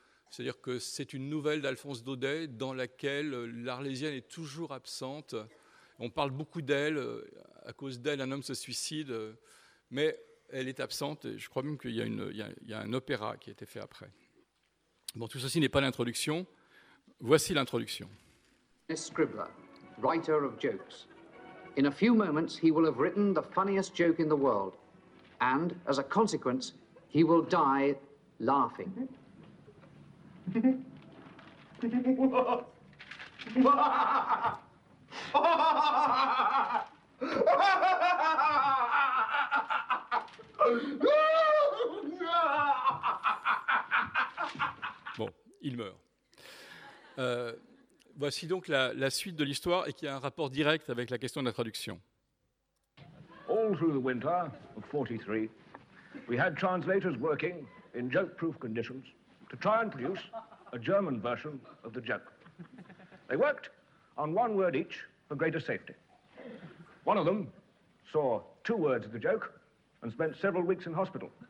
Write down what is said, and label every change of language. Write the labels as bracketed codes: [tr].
[fr] C'est-à-dire que c'est une nouvelle d'Alphonse Daudet dans laquelle l'Arlésienne est toujours absente. On parle beaucoup d'elle, à cause d'elle, un homme se suicide, mais elle est absente et je crois même qu'il y a un opéra qui a été fait après. Bon, tout ceci n'est pas l'introduction. Voici l'introduction. [en] A scribbler, writer of jokes. In a few moments, he will have written the funniest joke in the world. And, as a consequence, he will die laughing. [fr] Bon, il meurt. Voici donc la suite de l'histoire et qui a un rapport direct avec la question de la traduction. [en] All through the winter of 43, we had translators working in joke-proof conditions to try and produce a German version of the joke. They worked on one word each for greater safety. One of them saw two words of the joke and spent several weeks in hospital.